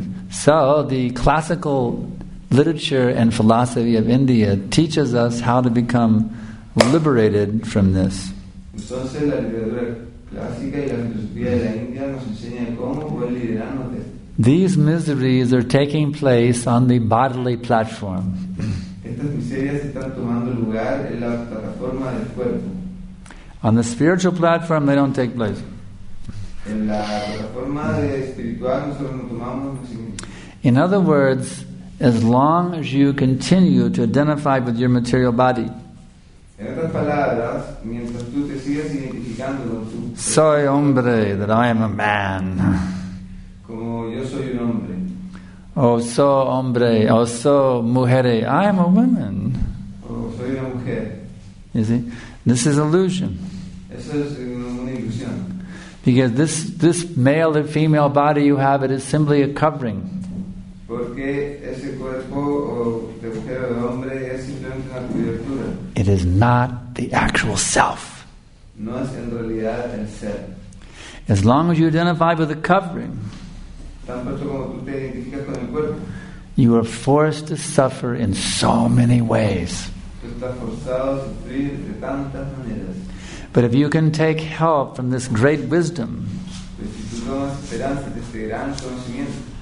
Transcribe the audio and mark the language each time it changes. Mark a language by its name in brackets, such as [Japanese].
[English] So the classical literature and philosophy of India teaches us how to become liberated from this. [Spanish] Entonces, la literatura clásica y la filosofía de la India nos enseña cómo poder liberarnos de esto. [English] These miseries are taking place on the bodily platform. [Spanish] Estas miserias están tomando lugar en la plataforma del cuerpo. [English] On the spiritual platform, they don't take place. [Spanish] En la plataforma espiritual, nosotros no tomamos miserias. [English] In other words, as long as you continue to identify with your material body. [Spanish] En otras palabras, mientras tú te sigas identificando con tu... Soy hombre, [English] that I am a man. [Spanish] Como yo soy un hombre. Oh, so hombre, oh, so mujer, [English] I am a woman. [Spanish] Oh, soy una mujer. [English] You see? This is illusion. [Spanish] Eso es una ilusión. [English] Because this male and female body you have, it is simply a covering. [Spanish] Porque ese cuerpo de mujer o de hombre es simplemente una cubiertura. [English] It is not the actual self. [Spanish] No es en realidad el ser. [English] As long as you identify with the covering, [Spanish] tan pronto como tú te identificas con el cuerpo, [English] you are forced to suffer in so many ways. [Spanish] Tú estás forzado a sufrir de tantas maneras. [English] But if you can take help from this great wisdom, [Spanish] pues si tú tomas esperanza de este gran conocimiento,